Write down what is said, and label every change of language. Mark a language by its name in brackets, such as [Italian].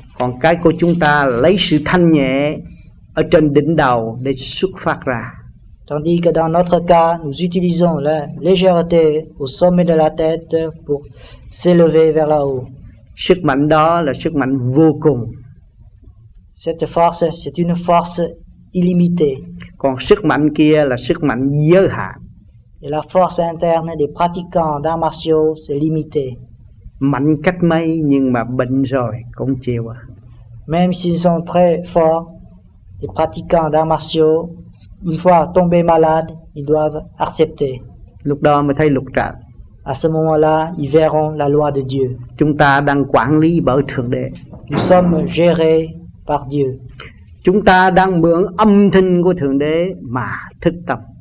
[Vietnamese] Còn cái của chúng ta lấy sự thanh nhẹ ở trên đỉnh đầu để xuất phát ra. [French] Tandis que dans notre cas, nous utilisons la légèreté au sommet de la tête pour s'élever vers le haut. [Vietnamese] Sức mạnh đó là sức mạnh vô cùng. [French] Cette force, c'est une force illimitée. [Vietnamese] Còn sức mạnh kia là sức mạnh giới hạn. [French] Et la force interne des pratiquants d'arts martiaux, c'est limité. [Vietnamese] Mạnh cách mấy nhưng mà bệnh rồi cũng chịu à. [French] Même s'ils sont très forts, les pratiquants d'arts martiaux, une fois tombés malades, ils doivent accepter. [Vietnamese] Lúc đó mới thấy lục trần. [French] À ce moment-là, ils verront la loi de Dieu. [Vietnamese] Chúng ta đang quản lý bởi Thượng Đế. [French] Nous sommes gérés par Dieu. [Vietnamese] Chúng ta đang mượn âm thanh của Thượng Đế mà thực tập.